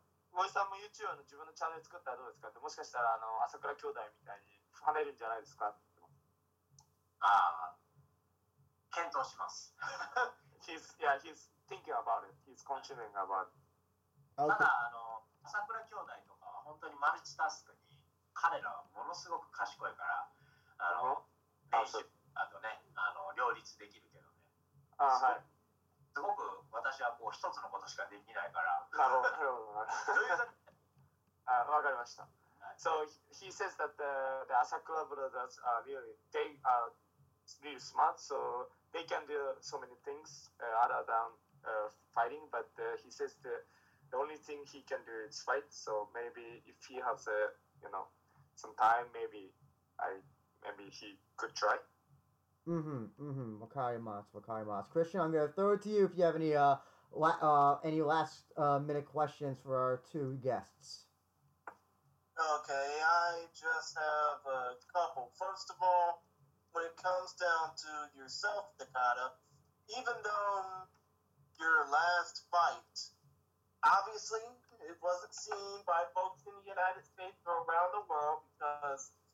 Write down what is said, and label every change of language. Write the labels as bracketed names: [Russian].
[Japanese] ボイさんも YouTube の自分のチャンネル作ったらどうですかって、もしかしたらあの朝倉兄弟みたいに跳ねるんじゃないですかって。ああ、検討します。 [English] He's, yeah, he's thinking about it. He's considering about it. [Japanese] ただあの朝倉兄弟とかは本当にマルチタスクに、彼らはものすごく賢いから、あの練習あとね、あの両立できるけどね。あ、はい、すごく私はもう一つのことしかできないから。なるほど、なるほど。わかりました。 [English] So he says that the Asakura brothers are really, they are really smart, so they can do so many things other than fighting, but he says the only thing he can do is fight, so maybe if he has a, you know, some time, maybe he could try. [Japanese] わかります、わかります。 [English] Christian, I'm going to throw it to you if you have any last minute questions for our two guests. Okay, I just have a couple. First of all, when it comes down to yourself, Takata, even though your last fight, obviously it wasn't seen by folks in the United States or around the world because...